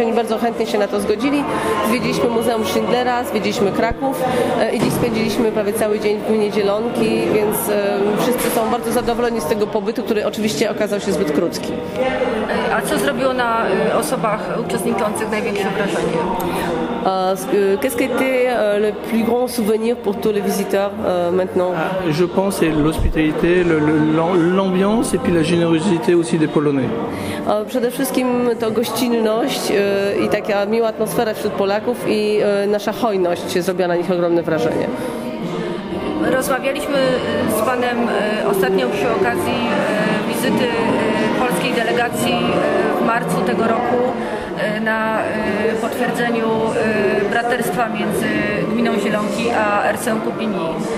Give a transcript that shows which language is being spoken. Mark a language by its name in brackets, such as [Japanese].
[Polish] Oni bardzo chętnie się na to zgodzili. Zwiedziliśmy Muzeum Schindlera, zwiedziliśmy Kraków i dziś spędziliśmy prawie cały dzień w gminie Zielonki, więc wszyscy są bardzo zadowoleni z tego pobytu, który oczywiście okazał się zbyt krótki. A co zrobiło na osobach uczestniczących największe wrażenie? [French] Qu'est-ce qui était le plus grand souvenir pour tous les visiteurs maintenant? Je pense que c'est l'hospitalité, l'ambiance et puis la générosité aussi des Polonais. [Polish] Przede wszystkim to gościnność i taka miła atmosfera wśród Polaków i nasza hojność zrobiła na nich ogromne wrażenie. Rozmawialiśmy z panem ostatnio przy okazji wizyty polskiej delegacji w marcu tego roku na potwierdzeniu braterstwa między gminą Zielonki a RSEM Kupini.